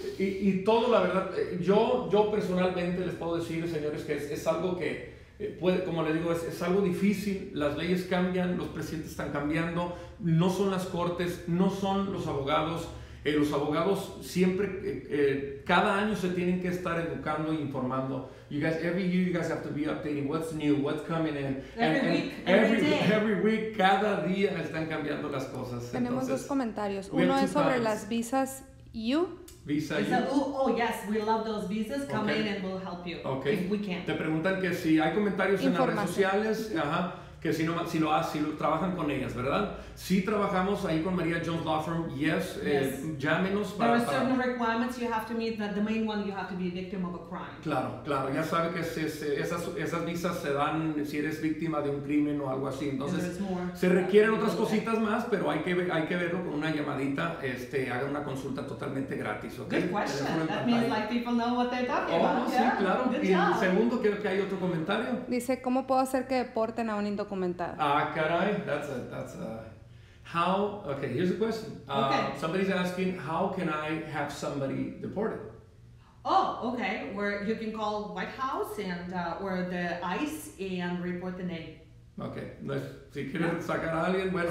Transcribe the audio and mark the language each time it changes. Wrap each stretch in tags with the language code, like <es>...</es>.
<es>Y todo, la verdad, yo personalmente les puedo decir, señores, que es algo que puede, como les digo, es algo difícil. Las leyes cambian, los presidentes están cambiando, no son las cortes, no son los abogados. Los abogados siempre, cada año se tienen que estar educando e informando.</es> <en>You guys, every year you guys have to be updating what's new, what's coming in. Every week,</en> <es>cada día están cambiando las cosas. Tenemos dos comentarios. Uno es sobre las visas U. Visa U.</es> <en>Yes, we love those visas. Come in and we'll help you. Okay. If we can.</en> <es>Te preguntan que si hay comentarios en las redes sociales. Ajá. Que si no, si lo hacen, si lo trabajan con ellas, ¿verdad? Si trabajamos ahí con Maria Jones Law Firm, yes, llámenos para...</es> <en>There are certain requirements you have to meet, that the main one, you have to be a victim of a crime.</en> <es>Claro, claro, ya sabe que esas visas se dan si eres víctima de un crimen o algo así. Entonces, se requieren otras cositas más, pero hay que verlo con una llamadita, haga una consulta totalmente gratis, ¿ok?</es> <en>Good question, that means like people know what they're talking about.</en> <es>Oh, sí, claro. Y el segundo, creo que hay otro comentario. Dice, ¿cómo puedo hacer que deporten a un indocumentado? Ah, caray,</es> <en>that's a how, okay, here's a question. Somebody's asking, how can I have somebody deported? Oh, okay, where you can call White House and or the ICE and report the name.</en> <es>Okay, si quieren sacar a alguien, bueno.</es>